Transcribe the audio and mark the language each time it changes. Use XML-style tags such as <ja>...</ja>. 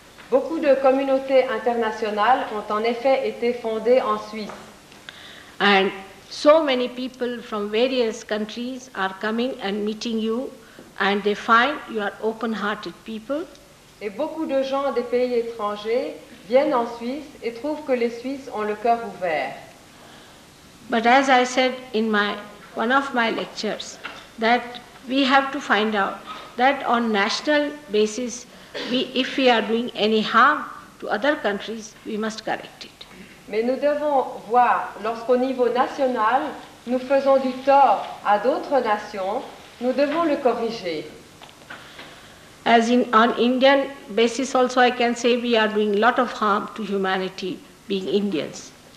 <fr>Beaucoup de communautés internationales ont en effet été fondées en Suisse.</fr> <en>And so many people from various countries are coming and meeting you, and they find you are open-hearted people.</en> <fr>Et beaucoup de gens des pays étrangers viennent en Suisse et trouvent que les Suisses ont le cœur ouvert.</fr> <en>But as I said in one of my lectures, that we have to find out that on national basis, if we are doing any harm to other countries, we must correct it.</en> <fr>Mais nous devons voir, lorsqu'au niveau national, nous faisons du tort à d'autres nations, nous devons le corriger.</fr> <en>As in on Indian basis also, I can say we are doing a lot of harm to humanity, being Indians.</en>